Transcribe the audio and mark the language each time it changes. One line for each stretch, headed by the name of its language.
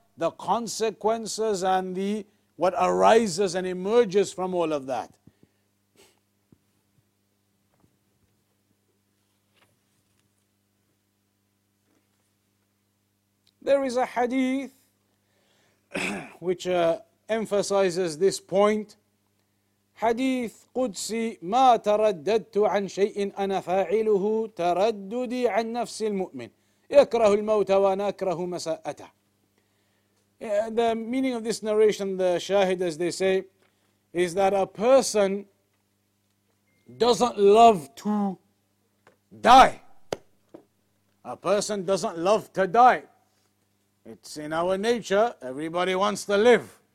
English: The consequences and the what arises and emerges from all of that. There is a hadith which emphasizes this point.
Arabic: حديث قدسي ما ترددت عن شيء أنا فاعله ترددي عن نفس المؤمن يكره الموت وأنا أكره مساءته.
English: The meaning of this narration, the shahid as they say, is that a person doesn't love to die. A person doesn't love to die. It's in our nature, everybody wants to live.